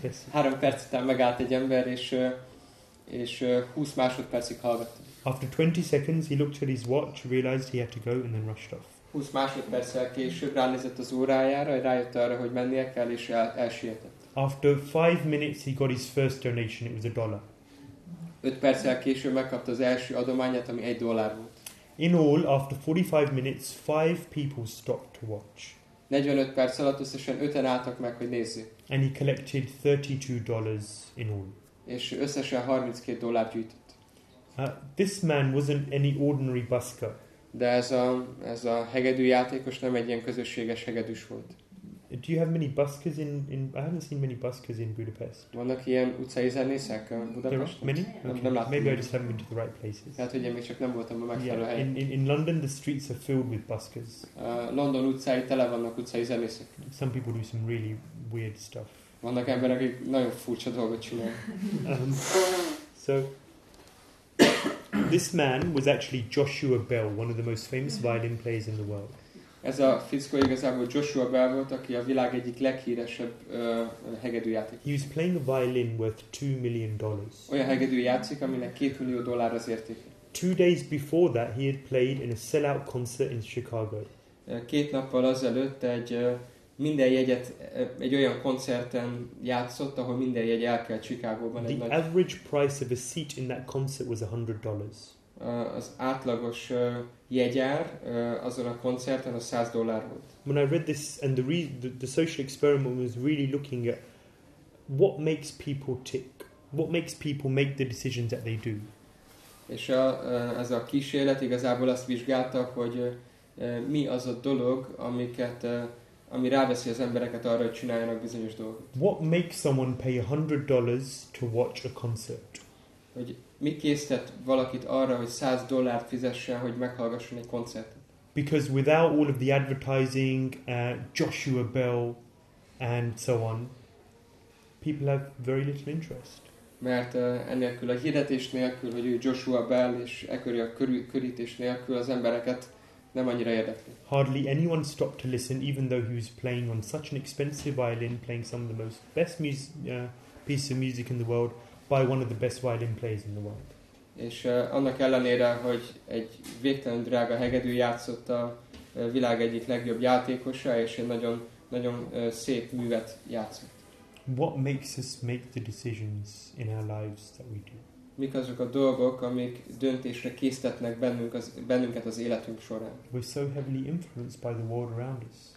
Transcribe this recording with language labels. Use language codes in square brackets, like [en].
[hu] 3 perc után megállt egy ember, és 20 másodpercig hallgatta. [en] After 20 seconds, he looked at his watch, realized he had to go, and then rushed off. [hu] 20 másodperccel később ránézett az órájára, rájött arra, hogy mennie kell, és elsietett. [en] After 5 minutes, he got his first donation. It was $1. [hu] 5 perccel később megkapta az első adományát, ami $1 volt. [en] In all, after 45 minutes, 5 people stopped to watch. [hu] 45 perc alatt összesen 5-en álltak meg, hogy nézzük. [en] And he collected $32 in all. [hu] És összesen $32 gyűjtött. [en] This man wasn't any ordinary busker. [hu] De ez a hegedű játékos nem egy ilyen közösséges hegedűs volt. [en] Do you have many buskers in I haven't seen many buskers in Budapest. [hu] Vannak ilyen utcai zenészek Budapesten? [en] Many? Okay. [hu] Nem láttam. [en] Maybe I just haven't been to the right places. [hu] Lehet, hogy én még csak nem voltam a megfelelő helyen. [en] In London the streets are filled with buskers. [hu] London utcái tele vannak utcai zenészek. [en] Some people do some really weird stuff. [hu] Vannak emberek, akik nagyon furcsa dolgot csinálnak. [en] So this man was actually Joshua Bell, one of the most famous violin players in the world. [hu] Ez a fickó igazából Joshua Bell volt, aki a világ egyik leghíresebb hegedűjátékos. [en] He was playing a violin worth $2 million. [hu] Olyan hegedű játszik, aminek $2 million az értéke. [en] 2 days before that, he had played in a sellout concert in Chicago. [hu] 2 nappal azelőtt egy olyan koncerten játszott, ahol minden jegy elkelt Chicagóban. [en] The average price of a seat in that concert was $100. [hu] Az átlagos jegyár azon a koncerten a $100 volt. [en] When I read this and the social experiment was really looking at what makes people tick, what makes people make the decisions that they do. [hu] És ez a kísérlet igazából azt vizsgálta, hogy mi az a dolog, ami ráveszi az embereket arra, hogy csináljanak bizonyos dolgot. [en] What makes someone pay $100 to watch a concert? [hu] Hogy mi késztet valakit arra, hogy $100 fizessen, hogy meghallgasson egy koncertet? [en] Because without all of the advertising, Joshua Bell, and so on, people have very little interest. [hu] Mert enélkül a hirdetés nélkül, hogy ő Joshua Bell, és ekkori a körítés nélkül az embereket nem annyira érdekli. [en] Hardly anyone stopped to listen, even though he was playing on such an expensive violin, playing some of the best piece of music in the world, by one of the best violin players in the world. [hu] És annak ellenére, hogy egy végtelen drága hegedű játszott a világ egyik legjobb játékosa, és egy nagyon, nagyon szép művet játszott. [en] What makes us make the decisions in our lives that we do? [hu] Mik azok a dolgok, amik döntésre késztetnek bennünket az életünk során? [en] We're so heavily influenced by the world around us.